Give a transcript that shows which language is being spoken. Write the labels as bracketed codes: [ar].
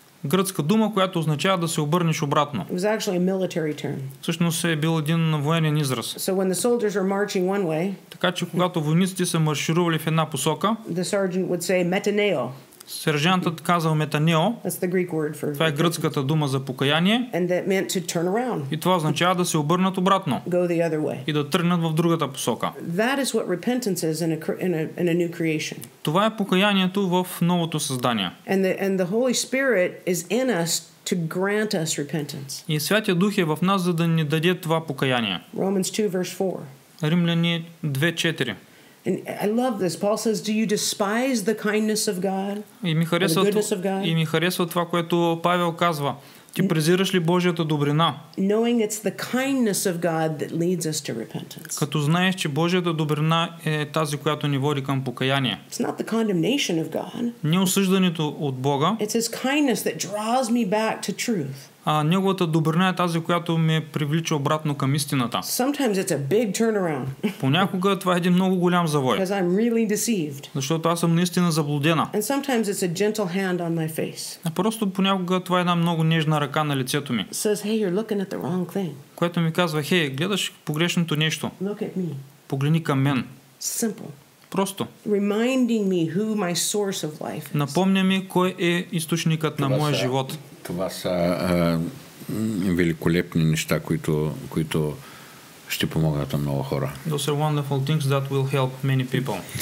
[bg] Гръцка дума, която означава да се обърнеш обратно. [en] It was actually a military term. [bg] Всъщност е бил един военен израз. [en] So when the soldiers are marching one way, [bg] така че когато войниците са марширували в една посока, [en] the sergeant would say metaneo. [bg] Сержантът казал метанео. [en] That's the Greek word for. [bg] Това е гръцката дума за покаяние. [en] And that meant to turn around. [bg] И това означава да се обърнат обратно. [en] Go the other way. [bg] И да тръгнат в другата посока. [en] That is what repentance is in a new creation. [bg] Това е покаянието в новото създание. [en] And the Holy Spirit is in us to grant us repentance. [bg] И Святия Дух е в нас, за да ни даде това покаяние. [en] Romans 2 verse 4. [bg] Римляни 2:4. [en] And I love this. Paul says, "Do you despise the kindness of God?" Or the goodness of God? [bg] И ми харесва това, което Павел казва. Ти презираш ли Божията добрина? [en] Knowing it's the kindness of God that leads us to repentance. [bg] Като знаеш, че Божията добрина е тази, която ни води към покаяние. [en] It's not the condemnation of God. [bg] Не осъждането от Бога. [en] It's his kindness that draws me back to truth. [bg] А неговата добрина е тази, която ме привлича обратно към истината. [en] Sometimes it's a big turnaround. [bg] Понякога това е един много голям завой. [en] Because I'm really deceived. [bg] Защото аз съм наистина заблудена. [en] And sometimes it's a gentle hand on my face. [bg] А просто понякога това е една много нежна ръка на лицето ми. [en] Says, hey, you're looking at the wrong thing. [bg] Което ми казва, хей, гледаш погрешното нещо. [en] Look at me. [bg] Погледни към мен. [en] Simple. [bg] Просто. [en] Reminding me who my source of life is. [bg] Напомня ми кой е източникът на моя живот. Това са великолепни неща, които ще помогнат на много хора. [en] Those are wonderful things that will help many people.